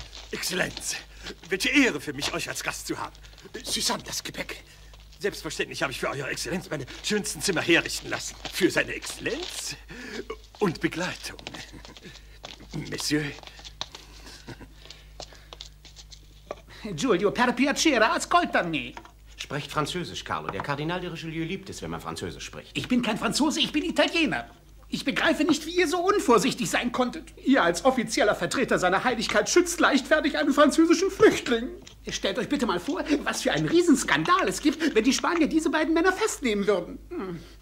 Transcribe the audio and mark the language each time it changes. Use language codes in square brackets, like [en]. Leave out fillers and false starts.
[de] Exzellenz, welche Ehre für mich, euch als Gast zu haben. Sie haben das Gepäck. Selbstverständlich habe ich für Eure Exzellenz meine schönsten Zimmer herrichten lassen. Für Seine Exzellenz und Begleitung. Monsieur. [it] Giulio, per piacere, ascoltami. [de] Sprecht Französisch, Carlo. Der Kardinal de Richelieu liebt es, wenn man Französisch spricht. Ich bin kein Franzose, ich bin Italiener. Ich begreife nicht, wie ihr so unvorsichtig sein konntet. Ihr als offizieller Vertreter seiner Heiligkeit schützt leichtfertig einen französischen Flüchtling. Stellt euch bitte mal vor, was für einen Riesenskandal es gibt, wenn die Spanier diese beiden Männer festnehmen würden.